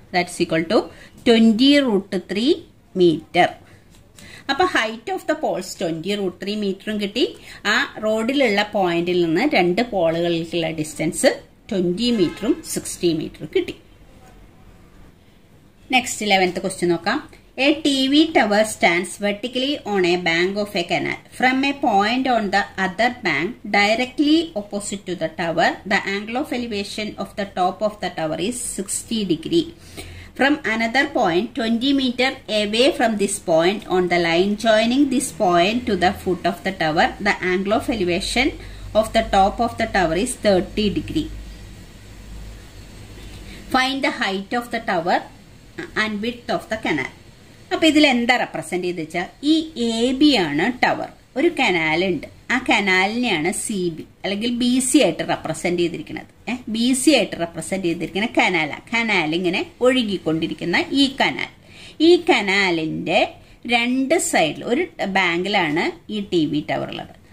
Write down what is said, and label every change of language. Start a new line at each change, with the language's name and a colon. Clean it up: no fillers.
English: That is equal to 20 √3 metre.
Malayalam: അപ്പൊ
English: height of the poles
Malayalam: 20 √3 മീറ്ററും കിട്ടി. ആ റോഡിലുള്ള പോയിന്റിൽ നിന്ന് രണ്ട് പോളുകളിലേക്കുള്ള ഡിസ്റ്റൻസ് 20 മീറ്ററും 60 മീറ്ററും കിട്ടി. നെക്സ്റ്റ് 11th ക്വസ്റ്റ്യൻ നോക്കാം.
English: A TV tower stands vertically on a bank of a canal. From a point on the other bank directly opposite to the tower, the angle of elevation of the top of the tower is 60 degree. From another point 20 meter away from this point on the line joining this point to the foot of the tower, the angle of elevation of the top of the tower is 30 degree. Find the height of the tower and width of the canal.
Malayalam: അപ്പൊ ഇതിലെന്താ represent ചെയ്തു വെച്ചാൽ ഈ A B ആണ് tower, ഒരു canal ഉണ്ട്, ആ കനാലിനെയാണ് C B അല്ലെങ്കിൽ ബി സി ആയിട്ട് റെപ്രസെന്റ് ചെയ്തിരിക്കുന്നത്. ബി സി ആയിട്ട് റെപ്രസെന്റ് ചെയ്തിരിക്കുന്ന കനാലാണ്, കനാൽ ഇങ്ങനെ ഒഴുകിക്കൊണ്ടിരിക്കുന്ന ഈ കനാൽ. ഈ കനാലിന്റെ രണ്ട് സൈഡിൽ ഒരു ബാങ്കിലാണ് ഈ ടി വി ടവർ ഉള്ളത്.